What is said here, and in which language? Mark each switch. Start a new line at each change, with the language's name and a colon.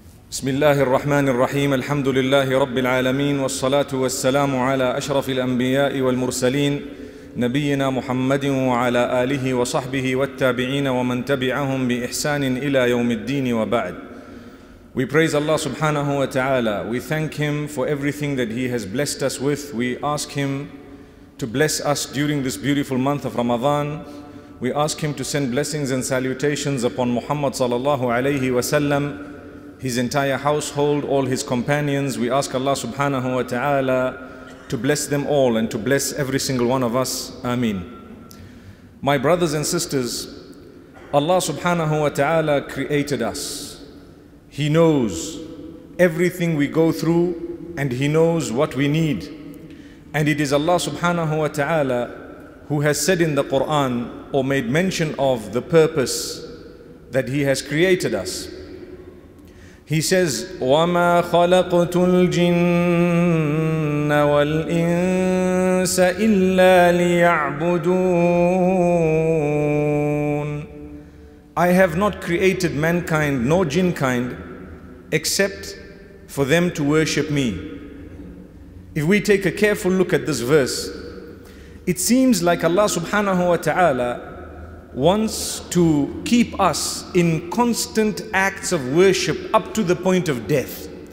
Arabic: بسم الله الرحمن الرحيم. الحمد لله رب العالمين، والصلاة والسلام على أشرف الأنبياء والمرسلين نبينا محمد وعلى آله وصحبه والتابعين ومن تبعهم بإحسان إلى يوم الدين وبعد.
English: We praise Allah subhanahu wa ta'ala. We thank Him for everything that He has blessed us with. We ask Him to bless us during this beautiful month of Ramadan. We ask Him to send blessings and salutations upon Muhammad sallallahu alayhi wa sallam, his entire household, all his companions. We ask Allah subhanahu wa ta'ala to bless them all and to bless every single one of us. Ameen. My brothers and sisters, Allah subhanahu wa ta'ala created us. He knows everything we go through and He knows what we need. And it is Allah subhanahu wa ta'ala who has said in the Quran, or made mention of the purpose that He has created us. He says,
Arabic: وَمَا خَلَقْتُ الْجِنَّ وَالْإِنسَ إِلَّا لِيَعْبُدُونَ.
English: I have not created mankind nor jinnkind except for them to worship me. If we take a careful look at this verse, it seems like Allah subhanahu wa ta'ala wants to keep us in constant acts of worship up to the point of death.